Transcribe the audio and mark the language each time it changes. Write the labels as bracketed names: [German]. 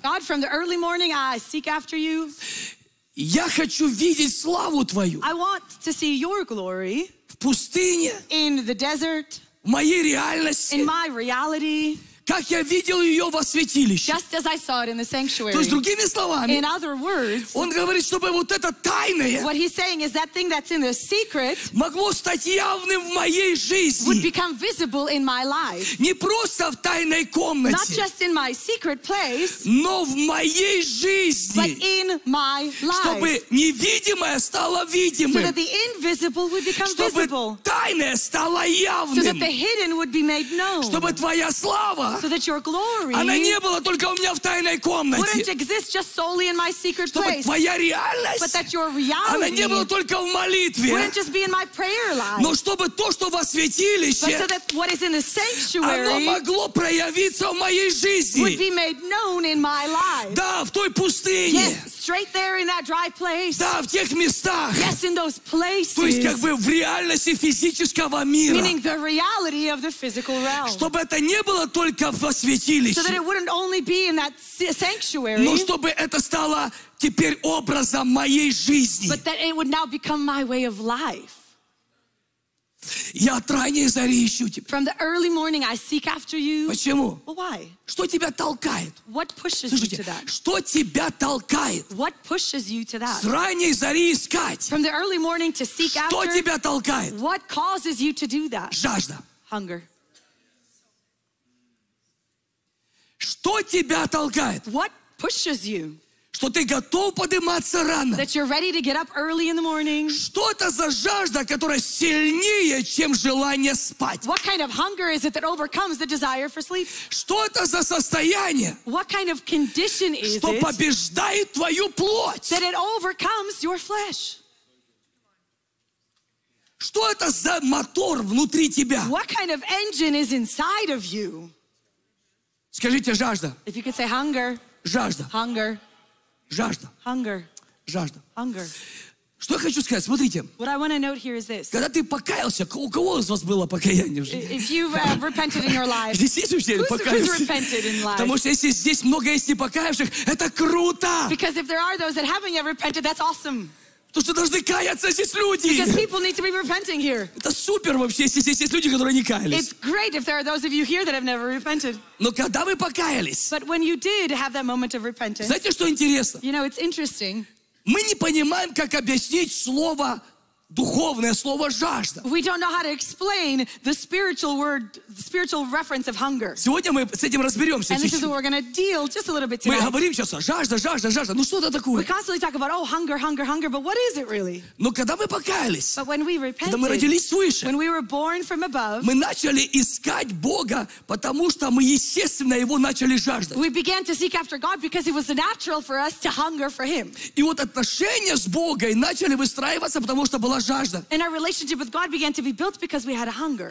[English] God, from the early morning, I seek after you. [Russian] Я хочу видеть славу твою. [English] I want to see your glory. [Russian] Пустыне, [English] in the desert, [Russian] в моей реальности, [English] in my reality, [Russian] Как я видел ее во святилище. [English] Just as I saw it in the sanctuary. [Russian] То есть другими словами. [English] In other words. [Russian] Он говорит, чтобы вот это тайное. [English] What he's saying is that thing that's in the secret. [Russian] Могло стать явным в моей жизни. [English] Would become visible in my life. [Russian] Не просто в тайной комнате. [English] Not just in my secret place. [Russian] Но в моей жизни. [English] But in my life. [Russian] Чтобы невидимое стало видимым. [English] So that the invisible would become [Russian] чтобы [English] visible. [Russian] Чтобы тайное стало явным. [English] So that the hidden would be made known. [Russian] Чтобы твоя слава. [English] So that your glory wouldn't exist just solely in my secret place, but that your reality wouldn't just be in my prayer life, but so that what is in the sanctuary would be made known in my life. Yes, straight there in that dry place. Yes, in those places. Meaning the reality of the physical realm. So that it wouldn't only be in that sanctuary. [Russian] Но чтобы это стало теперь образом моей жизни. [English] But that it would now become my way of life. [Russian] Я от ранней зари ищу тебя. [English] From the early morning I seek after you. [Russian] Почему? [English] Well, why? [Russian] Что тебя толкает? [English] What pushes you to that? [Russian] Что тебя толкает? [English] What pushes you to that? [Russian] С ранней зари искать. [English] From the early morning to seek [Russian] что [English] after. [Russian] Что тебя толкает? [English] What causes you to do that? [Russian] Жажда. [English] Hunger. [Russian] Что тебя толкает? [English] What pushes you? [Russian] Что ты готов подниматься рано? [English] That you're ready to get up early in the morning. [Russian] Что это за жажда, которая сильнее, чем желание спать? [English] What kind of hunger is it that overcomes the desire for sleep? [Russian] Что это за состояние? [English] What kind of condition is it? [Russian] Что побеждает твою плоть? [English] That it overcomes your flesh. [Russian] Что это за мотор внутри тебя? [English] What kind of engine is inside of you? [Russian] Скажите жажда. [English] If you could say hunger. [Russian] Жажда. [English] Hunger. [Russian] Жажда. [English] Hunger. [Russian] Жажда. [English] Hunger. [Russian] Что я хочу сказать? Смотрите. [English] What I want to note here is this. [Russian] Когда ты покаялся, у кого из вас было покаяние в жизни? [English] If you repented in your life. [Russian] Здесь есть вообще покаявшиеся? [English] Who's repented in life? [Russian] Потому что если здесь много есть непокаявших, это круто. [English] Because if there are those that haven't yet repented, that's awesome. [Russian] Потому что должны каяться здесь люди. [English] Because people need to be repenting here. [Russian] Это супер вообще, если здесь есть люди, которые не каялись. [English] It's great if there are those of you here that have never repented. [Russian] Но когда вы покаялись. [English] But when you did have that moment of repentance. [Russian] Знаете, что интересно? [English] You know, it's interesting. [Russian] Мы не понимаем, как объяснить слово духовное, слово жажда. [English] We don't know how to explain the spiritual word, the spiritual reference of hunger. [Russian] Сегодня мы с этим разберемся. [English] And this is what we're going to deal just a little bit today. [Russian] Мы говорим сейчас о жажда, жажда, жажда. Ну что это такое? [English] We constantly talk about, oh, hunger, hunger, hunger, but what is it really? [Russian] Но когда мы покаялись, [English] but when we repented, [Russian] когда мы родились свыше, [English] when we were born from above, [Russian] мы начали искать Бога, потому что мы естественно Его начали жаждать. [English] We began to seek after God because it was natural for us to hunger for Him. [Russian] И вот отношения с Богом начали выстраиваться, потому что [English] and our relationship with God began to be built because we had a hunger.